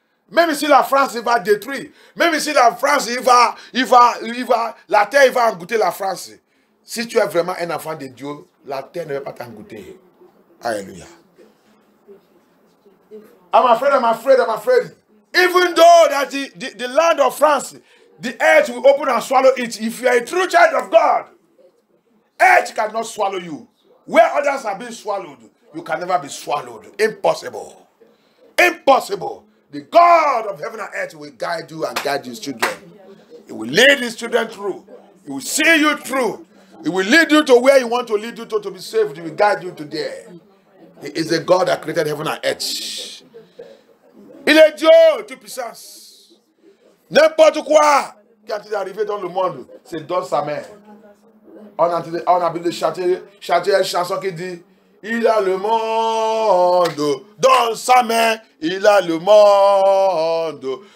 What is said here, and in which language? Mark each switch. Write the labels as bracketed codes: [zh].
[fr] Même si la France va détruire, même si la France il va, la terre il va engoûter la France. Si tu es vraiment un enfant de Dieu, la terre ne va pas t'engoûter. Alléluia. [en] I'm afraid. Even though that the land of France, the earth will open and swallow it. If you are a true child of God, earth cannot swallow you. Where others have been swallowed, you can never be swallowed. Impossible. The God of heaven and earth will guide you and guide his children. He will lead his children through. He will see you through. He will lead you to where he wants to lead you to be saved. He will guide you to there. He is a God that created heaven and earth. [fr] Il est Dieu, toute puissance. N'importe quoi qui a été arrivé dans le monde, c'est dans sa main. On a besoin de chanter une chanson qui dit, il a le monde dans sa main, il a le monde.